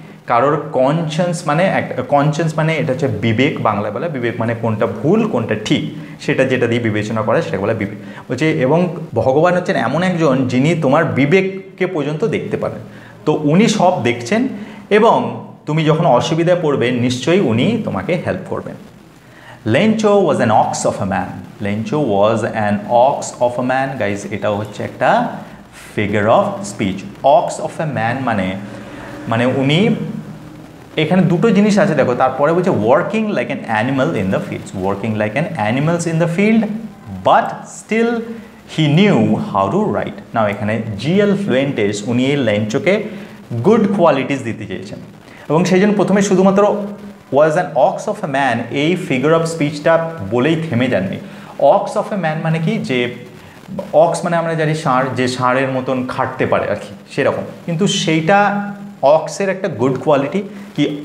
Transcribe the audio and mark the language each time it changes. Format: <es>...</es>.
<bn>কারোর কনসিয়েন্স মানে এটা হচ্ছে বিবেক বাংলায় বলে বিবেক মানে কোনটা ভুল কোনটা ঠিক সেটা যেটা দিয়ে বিবেচনা করে সেটা বলে বিবেক বলছে এবং ভগবান হচ্ছেন এমন একজন যিনি তোমার বিবেককে পর্যন্ত দেখতে পারেন তো উনি সব দেখছেন এবং তুমি যখন অসুবিধায় পড়বে নিশ্চয়ই উনি তোমাকে হেল্প করবেন</bn> <en>Lencho was an ox of a man. Lencho was an ox of a man.</en> <bn>Guys, এটা হচ্ছে একটা</bn> <en>figure of speech.</en> <bn>Ox of a man মানে উনি এখানে দুটো জিনিস আছে দেখো তারপরে বলছে</bn> <en>working like an animal in the fields. Working like an animal in the field, but still he knew how to write.</en> <bn>Now এখানে GL Fluentes উনি এই Lencho-কে good qualities দিতে চেয়েছেন এবং সেই জন্য প্রথমে শুধুমাত্র</bn> <en>was an ox of a man</en> <bn>এই figure of speechটা বলেই থেমে যাননি ox of a man মানে কি যে ox মানে আমরা জানি ষাঁড় যে ষাঁড়ের মতন খাটতে পারে আর কি সেরকম কিন্তু সেইটা ox এর একটা গুড কোয়ালিটি কি</bn>